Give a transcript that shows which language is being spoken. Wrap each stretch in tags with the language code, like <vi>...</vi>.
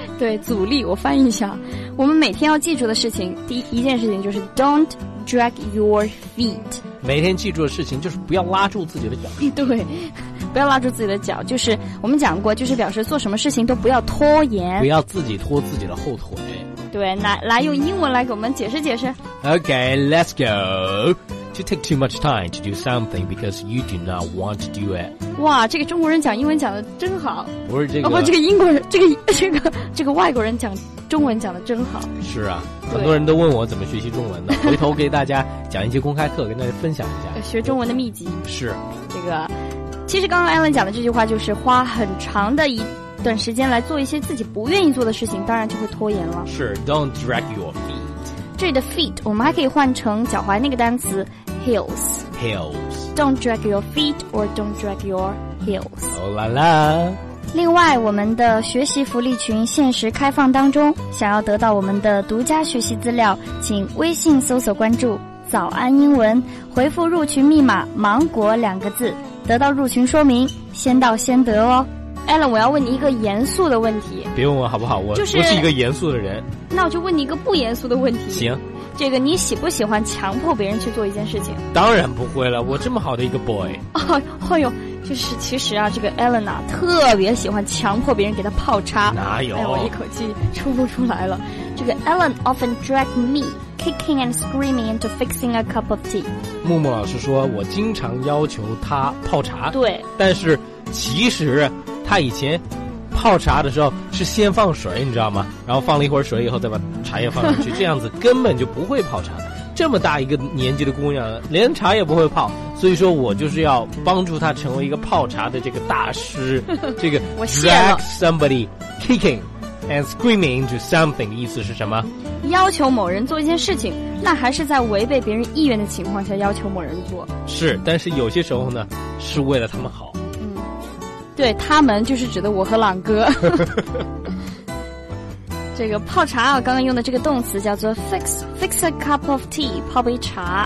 <zh>对，阻力，我翻译一下，我们每天要记住的事情，第一件事情就是</zh> <en>Don't drag your feet。</en> <zh>每天记住的事情就是不要拉住自己的脚。对，不要拉住自己的脚，就是我们讲过，就是表示做什么事情都不要拖延，不要自己拖自己的后腿。对，来用英文来给我们解释解释。</zh> <en>OK, let's goTo take too much time to do something because you do not want to do it.</en> <zh>哇，这个中国人讲英文讲得真好。不是这个，哦，不，这个英国人，这个外国人讲中文讲得真好。是啊，很多人都问我怎么学习中文的，回头给大家讲一些公开课，跟大家分享一下学中文的秘籍。是这个，其实刚刚 Alan 讲的这句话就是花很长的一段时间来做一些自己不愿意做的事情，当然就会拖延了。是</zh> <en>，Don't drag your feet.</en> <zh>这里的 feet 我们还可以换成脚踝那个单词 heels.</zh> <en>Heels. Don't drag your feet or don't drag your heels. Oh la la.</en> <zh>另外，我们的学习福利群限时开放当中，想要得到我们的独家学习资料，请微信搜索关注“早安英文”，回复入群密码“芒果”两个字，得到入群说明，先到先得哦。 Alan， 我要问你一个严肃的问题。别问我好不好，我、就是、不是一个严肃的人。那我就问你一个不严肃的问题。行，这个你喜不喜欢强迫别人去做一件事情？当然不会了，我这么好的一个 boy。哎呦，就是其实啊，这个 Alan 啊特别喜欢强迫别人给他泡叉。哪有、哎、我一口气出不出来了。这个</zh> <en>Alan often drag me kicking and screaming into fixing a cup of tea。</en> <zh>木木老师说我经常要求他泡茶。对，但是其实他以前泡茶的时候是先放水，你知道吗？然后放了一会儿水以后再把茶叶放上去，这样子根本就不会泡茶的。这么大一个年纪的姑娘连茶也不会泡，所以说我就是要帮助她成为一个泡茶的这个大师。这个</zh> <en>drag somebody kicking and screaming into something</en> <zh>意思是什么？要求某人做一件事情，那还是在违背别人意愿的情况下要求某人做。是，但是有些时候呢是为了他们好。对，他们就是指的我和朗哥。这个泡茶啊，刚刚用的这个动词叫做</zh> <en>fix a cup of tea，</en> <zh>泡杯茶。</zh>